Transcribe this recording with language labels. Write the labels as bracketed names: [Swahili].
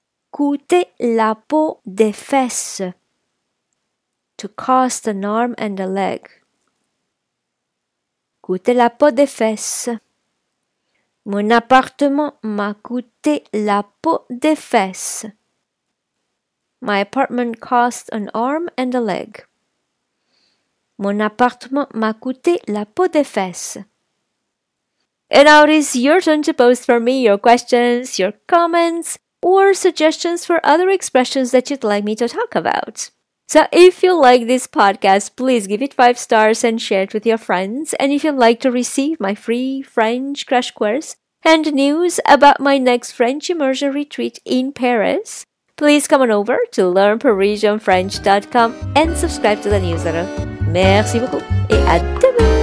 [French] Coûter la peau des fesses. [English] To cost an arm and a leg. [French] Coûter la peau des fesses. Mon appartement m'a coûté la peau des fesses. [English] My apartment cost an arm and a leg. [French] Mon appartement m'a coûté la peau des fesses. [English] And now it is your turn to post for me your questions, your comments, or suggestions for other expressions that you'd like me to talk about. So if you like this podcast, please give it 5 stars and share it with your friends. And if you'd like to receive my free French crash course and news about my next French immersion retreat in Paris, please come on over to learnparisianfrench.com and subscribe to the newsletter. [French] Merci beaucoup et à demain!